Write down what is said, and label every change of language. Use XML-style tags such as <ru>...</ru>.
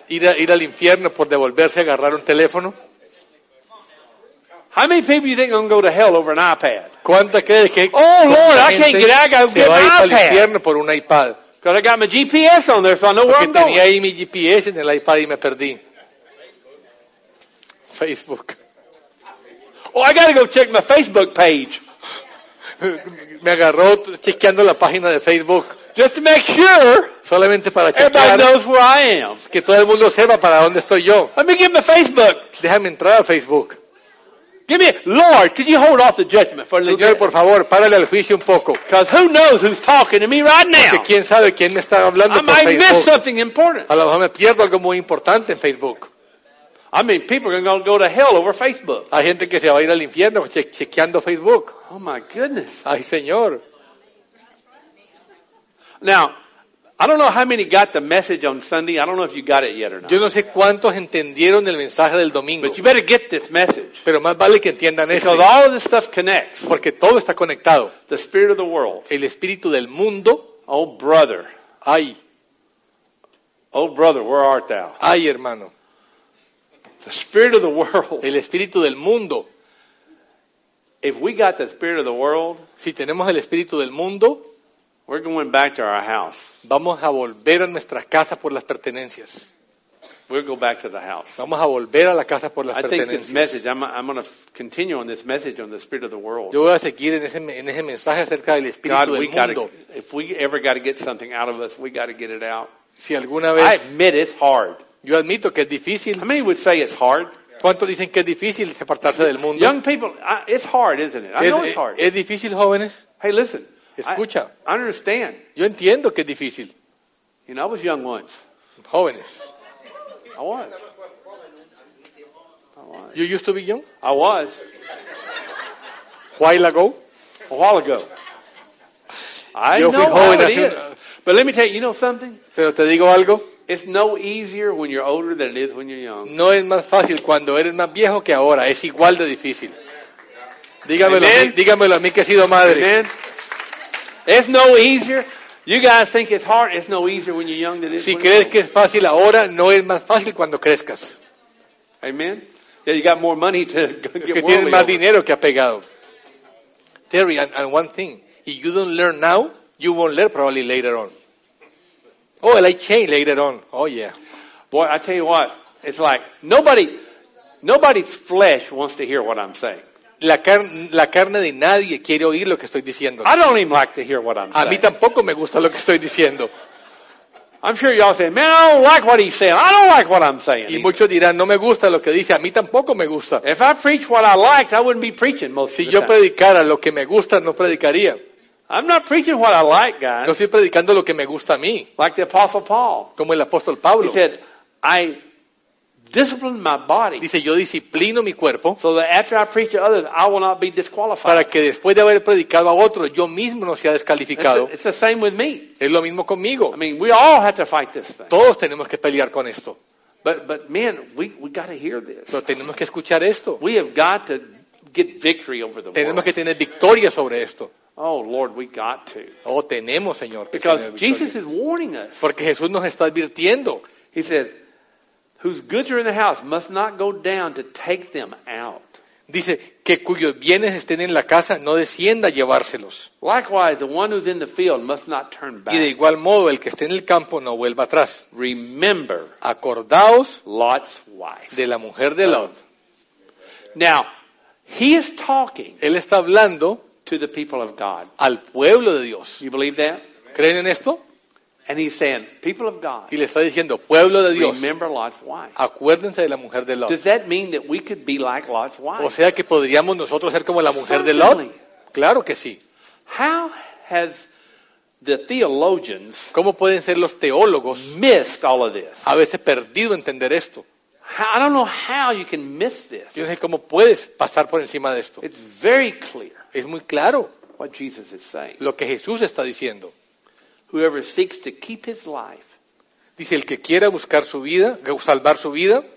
<es>Ir al infierno por devolverse a agarrar un teléfono.</es> <en>How many people you think gonna go to hell over an iPad?</en> <es>¿Cuánta crees que?</es> <en>Oh Lord, I can't get out. I gotta get an iPad.</en> <es>Se va a ir al infierno por un iPad.</es> <en>Because I got my GPS on there, so I know where I'm going.</en> <es>Tenía ahí mi GPS en el iPad y me perdí.</es> <en>Facebook. Oh, I gotta go check my Facebook page.</en> <es>Me agarró chequeando la página de Facebook.</es> <en>Just to make sure.</en> <es>Solamente para chequear.</es> <en>Everybody knows where I am.</en> <es>Que todo el mundo sepa para dónde estoy yo.</es> <en>Let me get my Facebook.</en> <es>Déjame entrar a Facebook.</es> <en>Give me, Lord, can you hold off the judgment for a little bit?</en> <es>Señor, por favor, párale el juicio un poco.</es> <en>Because who knows who's talking to me right now?</en> <es>Porque quién sabe quién me está hablando por Facebook.</es> <en>I might miss something important.</en> <es>A lo mejor me pierdo algo muy importante en Facebook.</es> <en>I mean, people are going to go to hell over Facebook.</en> <es>Hay gente que se va a ir al infierno chequeando Facebook.</es> <en>Oh my goodness.</en> <es>Ay, Señor.</es> <en>Now, I don't know how many got the message on Sunday. I don't know if you got it yet or not.</en> <es>Yo no sé cuántos entendieron el mensaje del domingo.</es> <en>But you better get this message.</en> <es>Pero más vale que entiendan esto.</es> <en>Because all of this stuff connects.</en> <es>Porque todo está conectado.</es> <en>The spirit of the world.</en> <es>El espíritu del mundo.</es> <en>Oh brother.</en> <es>Ay.</es> <en>Oh brother, where art thou?</en> <es>Ay hermano.</es> <en>The spirit of the world.</en> <es>El espíritu del mundo.</es> <en>If we got the spirit of the world,</en> <es>si tenemos el espíritu del mundo,</es> <en>we're going back to our house.</en> <es>Vamos a volver a nuestra casa por las pertenencias.</es> <en>We'll go back to the house.</en> <es>Vamos a volver a la casa por las pertenencias.</es> <en>I think this message, I'm going to continue on this message on the spirit of the world.</en> <es>Yo voy a seguir en ese mensaje acerca del espíritu</es> <en>God,</en> <es>del</es> <en>we</en> <es>mundo.</es> <en>Gotta, if we ever got to get something out of us, we got to get it out.</en> <es>Si alguna vez,</es> <en>I admit it's hard.</en> <es>Yo admito que es difícil.</es> <en>How many would say it's hard?</en> <es>¿Cuántos dicen que es difícil separarse del mundo?</es> <en>Young people, it's hard, isn't it? I know it's hard.</en> <es>¿Es difícil, jóvenes?</es> <en>Hey, listen.</en> <es>Escucha.</es> <en>I understand.</en> <es>Yo entiendo que es difícil.</es> <en>You know, I was young once.</en> <es>Jóvenes.</es> <en>I was. You used to be young? I was. While ago? A while ago. I know how it is. But let me tell you, you know something? Pero te digo algo. It's no easier when you're older than it is when you're young.</en> <es>No es más fácil cuando eres más viejo que ahora. Es igual de difícil. Dígamelo a mí que he sido madre.</es> <en>Amen. It's no easier. You guys think it's hard. It's no easier when you're young than it is</en> <es>si crees que es fácil ahora, no es más fácil cuando crezcas.</es> <en>Amen. Yeah, you got more money to get.</en> <es>Que tienes más</es> <en>over.</en> <es>Dinero que ha pegado. Terry,</es> <en>and one thing. If you don't learn now, you won't learn probably later on. Oh, and I change later on. Oh, yeah. Boy, I tell you what. It's like nobody's flesh wants to hear what I'm saying.</en> <es>La carne de nadie quiere oír lo que estoy diciendo.</es> <en>I don't even like to hear what I'm saying.</en> <es>A mí tampoco me gusta lo que estoy diciendo.</es> <en>I'm sure y'all say, man, I don't like what he's saying. I don't like what I'm saying.</en> <es>Y muchos dirán, no me gusta lo que dice. A mí tampoco me gusta.</es> <en>If I preach what I liked, I wouldn't be preaching most of the time.</en> <es>Si yo predicara lo que me gusta, no predicaría.</es> <en>I'm not preaching what I like, guys.</en> <es>No estoy predicando lo que me gusta a mí.</es> <en>Like the Apostle Paul.</en> <es>Como el apóstol Pablo.</es> <en>He said, I discipline my body.</en> <es>Dice, yo disciplino mi cuerpo.</es> <en>So that after I preach to others, I will not be disqualified.</en> <es>Para que después de haber predicado a otros, yo mismo no sea descalificado.</es> <en>It's the same with me.</en> <es>Es lo mismo conmigo.</es> <en>I mean, we all have to fight this thing.</en> <es>Todos tenemos que pelear con esto.</es> <en>But man, we got to hear this.</en> <es>Pero tenemos que escuchar esto.</es> <en>We have got to get victory over the</en> <es>tenemos</es> <en>world.</en> <es>Que tener victoria sobre esto.</es> <en>Oh Lord, we got to.</en> <es>Oh, tenemos, Señor.</es> <en>Because Jesus is warning us.</en> <es>Porque Jesús nos está advirtiendo.</es> <en>He says, "Whose goods are in the house must not go down to take them out."</en> <es>Dice que cuyos bienes estén en la casa no descienda a llevárselos.</es> <en>Likewise, the one who's in the field must not turn back.</en> <es>Y de igual modo el que esté en el campo no vuelva atrás.</es> <en>Remember,</en> <es>acordaos</es> <en>Lot's wife.</en> <es>De la mujer de Lot.</es> <en>Now, he is talking.</en> <es>Él está hablando.</es> <en>To the people of God.</en> <es>Al pueblo de Dios.</es> <en>You believe that?</en> <es>¿Creen en esto?</es> <en>And he's saying, people of God.</en> <es>Y le está diciendo, pueblo de Dios.</es> <en>Remember Lot's wife.</en> <es>Acuérdense de la mujer de Lot.</es> <en>Does that mean that we could be like Lot's wife?</en> <es>O sea que podríamos nosotros ser como la mujer de Lot. Claro que sí.</es> <en>How has the theologians?</en> <es>¿Cómo pueden ser los teólogos?</es> <en>Missed all of this.</en> <es>A veces perdido entender esto.</es> <en>I don't know how you can miss this.</en> <es>Yo no sé cómo puedes pasar por encima de esto.</es> <en>It's very clear.</en> <es>Es muy claro</es> <en>what Jesus is saying.</en> <es>Lo que Jesús está diciendo.</es> <en>Whoever seeks to keep his life,</en> <es>dice el que quiera buscar su vida, salvar su vida,</es>